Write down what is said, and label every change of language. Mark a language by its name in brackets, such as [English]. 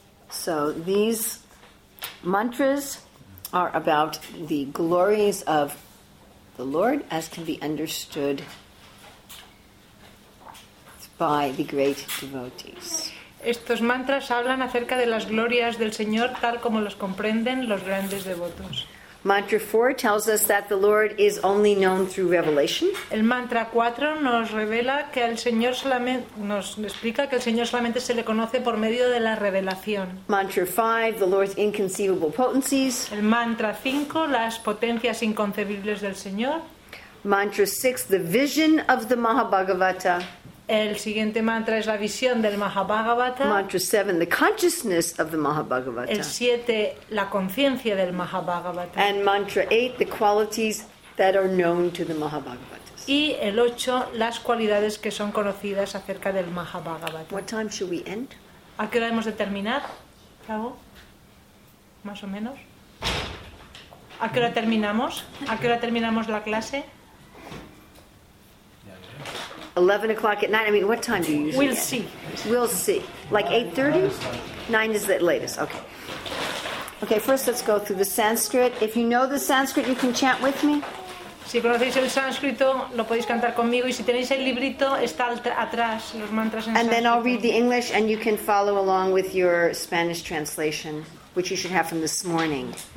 [English] So these mantras are about the glories of the Lord as can be understood by the great devotees. [Spanish] Estos mantras hablan acerca de las glorias del Señor tal como los comprenden los grandes devotos. [English] Mantra 4 tells us that the Lord is only known through revelation. [Spanish] El mantra 4 nos revela que el Señor solamente nos explica que el Señor solamente se le conoce por medio de la revelación. [English] Mantra 5, the Lord's inconceivable potencies. [Spanish] El mantra 5, las potencias inconcebibles del Señor. [English] Mantra 6, the vision of the Mahabhagavata. [Spanish] El siguiente mantra es la visión del Mahabhagavata. [English] Mantra 7, the consciousness of the Mahabhagavata. [Spanish] El 7, la conciencia del Mahabhagavata. [English] And mantra 8, the qualities that are known to the Mahabhagavatas. [Spanish] Y el 8, las cualidades que son conocidas acerca del Mahabhagavata. [English] What time should we end? [Spanish] ¿A qué hora hemos de terminar? ¿Qué hago? ¿Más o menos? ¿A qué hora terminamos? ¿A qué hora terminamos la clase? [English] 11 o'clock at night. I mean, what time do you usually We'll end? See. We'll see. Like 8:30? 9 is the latest. Okay. Okay, first let's go through the Sanskrit. If you know the Sanskrit, you can chant with me. [Spanish] Si conocéis el sánscrito, lo podéis cantar conmigo. Y si tenéis el librito, está atrás, los mantras en sánscrito. [English] And then I'll read the English, and you can follow along with your Spanish translation, which you should have from this morning.